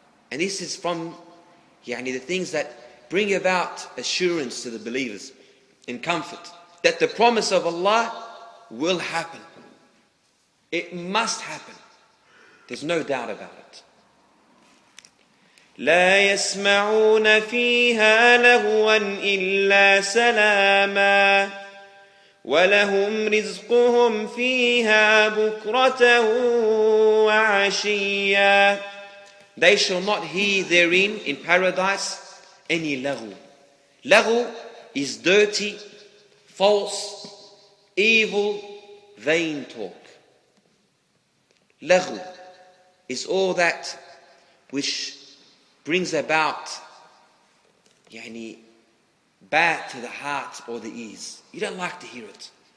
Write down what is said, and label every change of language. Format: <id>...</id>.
<en>And this is from the things that bring about assurance to the believers in comfort, that the promise of Allah will happen. It must happen. There's no doubt about it.</en> <ar>لا يسمعون فيها لغوا إلا سلاما ولهم رزقهم فيها بكرة وعشيا.</ar> <en>They shall not hear therein in paradise any lagu. Lagu is dirty, false, evil, vain talk. Lagu is all that which brings about يعني bad to the heart or the ears. You don't like to hear it.</en>